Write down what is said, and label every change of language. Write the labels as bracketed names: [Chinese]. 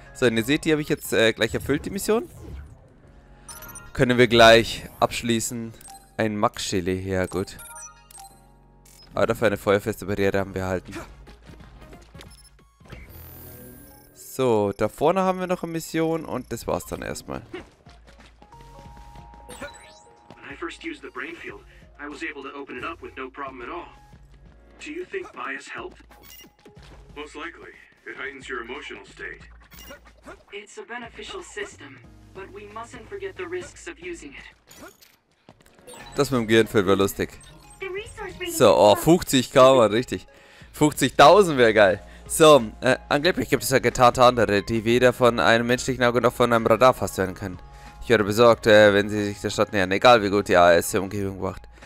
[German] So, und ihr seht, die habe ich jetzt gleich erfüllt, die Mission. Können wir gleich abschließen. Ein Max-Chili, ja gut. Aber dafür eine feuerfeste Barriere haben wir erhalten. So, da vorne haben wir noch eine Mission und das war's dann erstmal. [English] When I first used the brain field, I was able to open it up with no problem at all. Do you think bias helped? Most likely. It heightens your emotional state. It's a beneficial system, but we mustn't forget the risks of using it. [German] Das mit dem Gehirnfeld war lustig. So, oh, 50k, Mann, richtig. 50.000 wäre geil. So, angeblich gibt es ja getarnte andere, die weder von einem menschlichen Auge noch von einem Radar erfasst werden können. Ich werde besorgt, wenn sie sich der Stadt nähern, egal wie gut die AS die Umgebung macht.